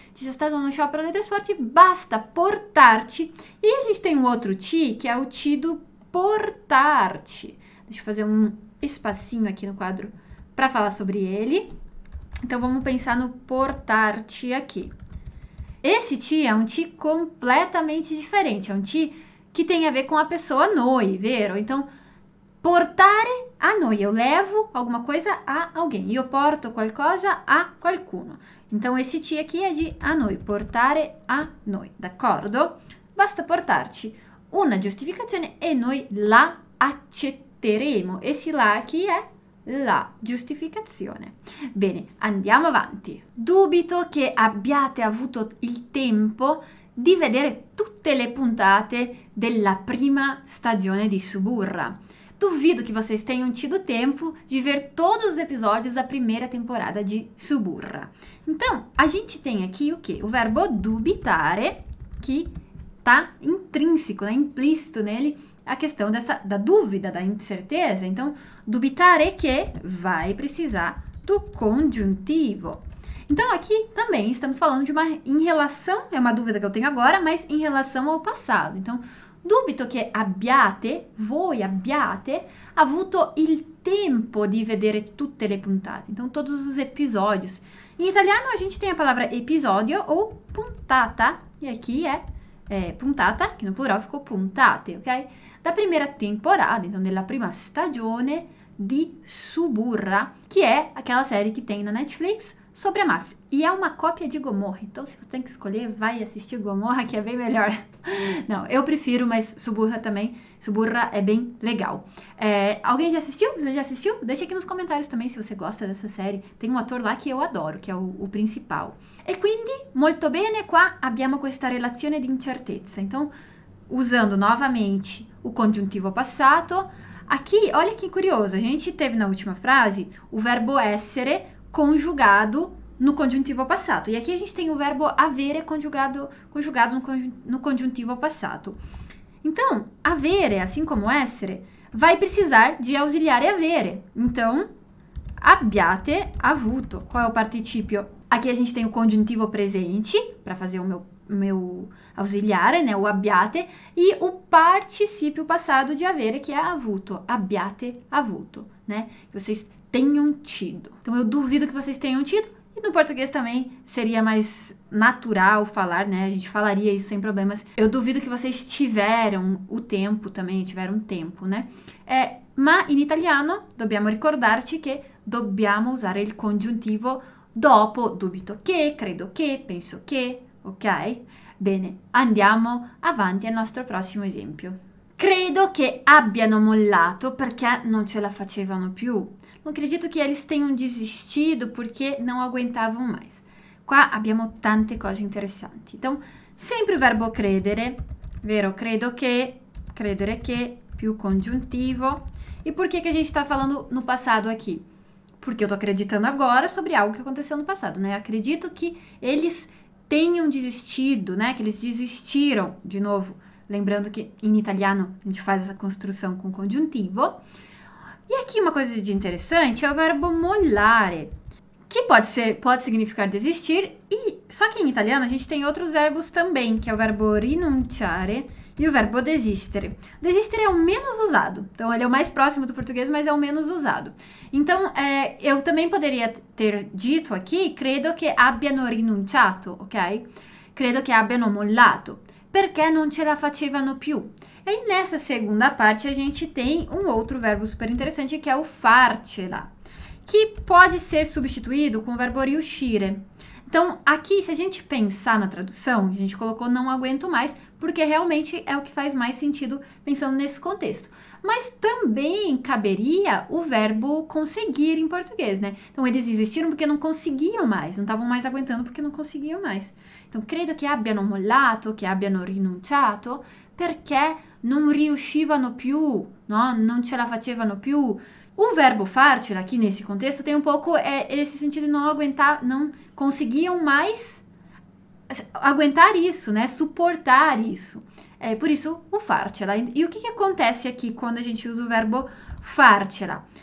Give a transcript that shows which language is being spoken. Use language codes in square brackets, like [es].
[it] Ci sia stato uno sciopero dei trasporti, basta portarti. [pt] E a gente tem um outro ti, [it] che è [pt] o ti do portarti. Deixa eu fazer um espacinho aqui no quadro para falar sobre ele. Então vamos pensar no portarti aqui. Esse ti é um ti completamente diferente, é um ti que tem a ver com a pessoa noi, [it] vero? [pt] Então, [it] portare a noi, [pt] eu levo alguma coisa a alguém, [it] io porto qualcosa a qualcuno. [pt] Então, esse ti aqui é de a noi, [it] portare a noi, d'accordo? Basta portarci una giustificazione e noi la accetteremo. [pt] Esse la aqui [it] è la giustificazione. Bene, andiamo avanti. Dubito che abbiate avuto il tempo di vedere tutte le puntate della prima stagione di Suburra. [pt] Duvido que vocês tenham tido tempo de ver todos os episódios da primeira temporada de Suburra. Então, a gente tem aqui o quê? O verbo dubitare, que tá intrínseco, né? Implícito nele, a questão dessa da dúvida, da incerteza. Então, [it] dubitare che [pt] vai precisar do congiuntivo. Então, aqui também estamos falando de uma em relação, é uma dúvida que eu tenho agora, mas em relação ao passado. Então, [it] dubito che abbiate, voi abbiate, avuto il tempo di vedere tutte le puntate. [pt] Então, todos os episódios. Em italiano, a gente tem a palavra episodio ou puntata, e aqui é puntata, che no plural ficou puntate, ok? Da primeira temporada, então, [it] della prima stagione di Suburra, [pt] que é aquela série que tem na Netflix sobre a máfia. E é uma cópia de Gomorra. Então, se você tem que escolher, vai assistir Gomorra, que é bem melhor. Não, eu prefiro, mas Suburra também. Suburra é bem legal. Alguém já assistiu? Você já assistiu? Deixa aqui nos comentários também se você gosta dessa série. Tem um ator lá que eu adoro, que é o principal. [it] E quindi, molto bene, qua abbiamo questa relazione di incertezza. [pt] Então, usando novamente o congiuntivo passato. Aqui, olha que curioso, a gente teve na última frase o verbo essere conjugado no congiuntivo passato. E aqui a gente tem o verbo avere conjugado no congiuntivo passato. Então, avere, assim como essere, vai precisar de ausiliare avere. Então, abbiate avuto. Qual é o participio? Aqui a gente tem o conjuntivo presente, para fazer o meu auxiliar, né? O abbiate. E o participio passado de avere, que é avuto. Abbiate avuto, né? Que vocês tenham tido. Então, eu duvido que vocês tenham tido. E no português também seria mais natural falar, né? A gente falaria isso sem problemas. Eu duvido que vocês tiveram o tempo também, tiveram tempo, né? Mas em italiano, [it] dobbiamo ricordarci que dobbiamo usare il congiuntivo dopo, dubito che, credo che, penso che, ok? Bene, andiamo avanti al nostro prossimo esempio. Credo che abbiano mollato perché non ce la facevano più. Non credo che [pt] eles tenham desistido [it] perché non [pt] aguentavano mais. [it] Qua abbiamo tante cose interessanti. [pt] Então, sempre o verbo [it] credere, vero? Credere che, più congiuntivo. [pt] E por que a gente está falando no passado aqui? Porque eu estou acreditando agora sobre algo que aconteceu no passado, né? Acredito que eles tenham desistido, né? Que eles desistiram, de novo. Lembrando que em italiano a gente faz essa construção com congiuntivo. E aqui uma coisa de interessante é o verbo mollare, que pode significar desistir. E só que em italiano a gente tem outros verbos também, que é o verbo rinunciare e o verbo desistere. Desistere é o menos usado. Então ele é o mais próximo do português, mas é o menos usado. Então eu também poderia ter dito aqui, [it] credo che abbiano rinunciato, [pt] ok? [it] Credo che abbiano mollato. Perché non ce la facevano più? [pt] E nessa segunda parte a gente tem um outro verbo super interessante, que é o farcela, que pode ser substituído com o verbo riuscire. Então, aqui, se a gente pensar na tradução, a gente colocou não aguento mais, porque realmente é o que faz mais sentido pensando nesse contexto. Mas também caberia o verbo conseguir em português, né? Então, eles desistiram porque não conseguiam mais, não estavam mais aguentando porque não conseguiam mais. Então, [it] credo que abbiano mollato, que abbiano rinunciato, perché non riuscivano più, no? Non ce la facevano più. [pt] O verbo farcela aqui nesse contexto tem um pouco esse sentido de não aguentar, não conseguiam mais aguentar isso, né? Suportar isso. É por isso o farcela. E o que acontece aqui quando a gente usa o verbo farcela?